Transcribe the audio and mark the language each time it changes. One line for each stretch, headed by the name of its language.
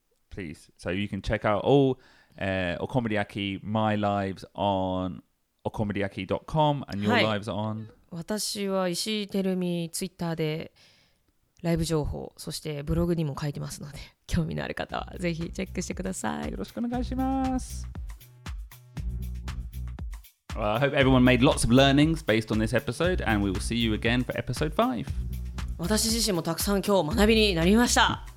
English: Please. So you can check out all Okomoriyaki, my lives on okomoriyaki.com and your、はい、lives on...
Japanese: 私は石井てるみ、Twitter でライブ情報、そしてブログにも書いてますので、興味のある方はぜひチェックしてください。よろしくお願いします。
English: Well, I hope everyone made lots of learnings based on this episode, and we will see you again for episode 5.
Japanese: 私自身もたくさん今日学びになりました。